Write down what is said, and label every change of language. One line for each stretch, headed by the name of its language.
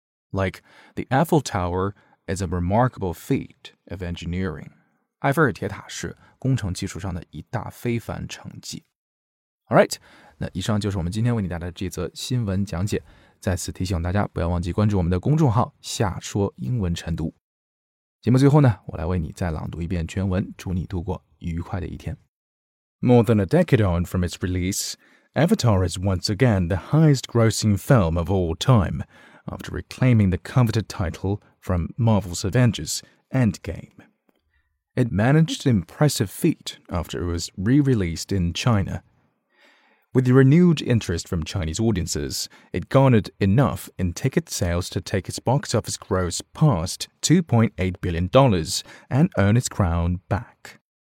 English: like the Eiffel Tower is a remarkable feat of engineering
Chinese: 埃菲尔铁塔是工程技术上的一大非凡成绩Alright, 那以上就是我们今天为你带来的这则新闻讲解。再次提醒大家不要忘记关注我们的公众号下说英文晨读。节目最后呢我来为你再朗读一遍全文祝你度过愉快的一天。
English: More than a decade on from its release, Avatar is once again the highest grossing film of all time, after reclaiming the coveted title from Marvel's Avengers Endgame. It managed an impressive feat after it was re-released in China,With renewed interest from Chinese audiences, it garnered enough in ticket sales to take its box office gross past $2.8 billion and earn its crown back.